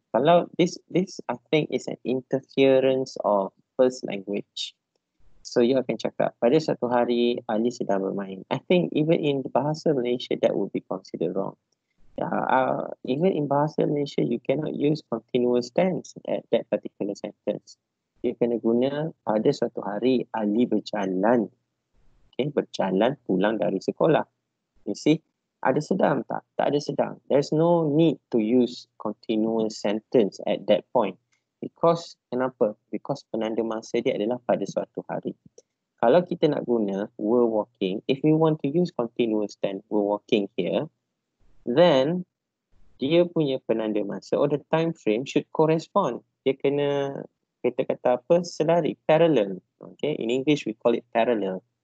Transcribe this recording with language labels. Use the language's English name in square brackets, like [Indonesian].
[English] Kalau this I think is an interference of first language. So you can check out. [Malay] Pada satu hari Ali sedang bermain. [English] I think even in Bahasa Malaysia that would be considered wrong. Even in Bahasa Malaysia you cannot use continuous tense at that particular sentence. [Malay] You kena guna pada suatu hari Ali berjalan. Okay, berjalan pulang dari sekolah. [English] You see? [Malay] Ada sedang tak? Tak ada sedang. [English] There's no need to use continuous sentence at that point. [Malay] Because, kenapa? Because penanda masa dia adalah pada suatu hari. Kalau kita nak guna, [English] we're walking. If we want to use continuous tense, we're walking here. Then, [Malay] dia punya penanda masa [English] or the time frame should correspond. [Malay] Dia kena, kita kata apa, selari, parallel. [English] Okay, in English we call it parallel.